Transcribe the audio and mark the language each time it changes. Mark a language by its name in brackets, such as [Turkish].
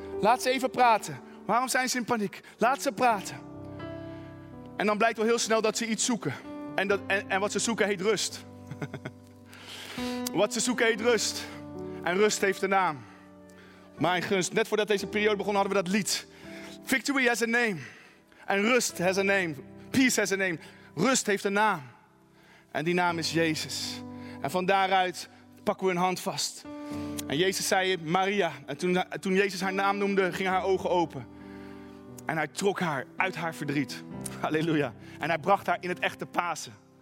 [Dutch] Laat ze even praten. Waarom zijn ze in paniek? Laat ze praten. En dan blijkt wel heel snel dat ze iets zoeken. En wat ze zoeken heet rust. Wat ze zoeken heet rust. En rust heeft een naam. Mijn gunst. Net voordat deze periode begon hadden we dat lied. [English] Victory has a name. [Dutch] En rust [English] has a name. Peace has a name. [Dutch] Rust heeft een naam. En die naam is Jezus. En van daaruit pakken we hun hand vast. En Jezus zei, Maria. En toen Jezus haar naam noemde, gingen haar ogen open. En hij trok haar uit haar verdriet. Halleluja. En hij bracht haar in het echte Pasen.